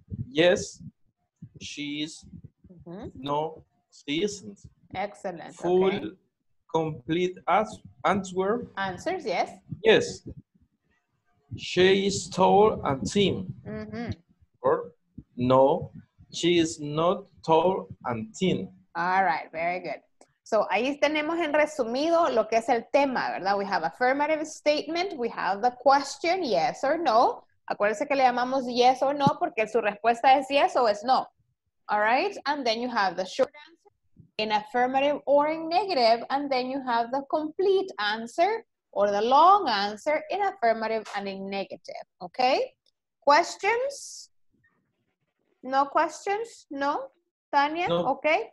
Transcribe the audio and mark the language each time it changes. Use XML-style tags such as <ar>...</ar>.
<en>Yes, she is. Mm-hmm. No, she isn't. Excellent. Full, okay. Complete answer. Answers, yes. Yes. She is tall and thin. Mm-hmm. Or no, she is not tall and thin. All right, very good.</en> <es>So, ahí tenemos en resumido lo que es el tema, ¿verdad?</es> <en>We have affirmative statement, we have the question, yes or no.</en> <es>Acuérdense que le llamamos</es> <en>yes or no</en> <es>porque su respuesta es yes o es no.</es> <en>All right? And then you have the short answer in affirmative or in negative, and then you have the complete answer or the long answer in affirmative and in negative. Okay? Questions? No questions? No? Tania, no. Okay.</en>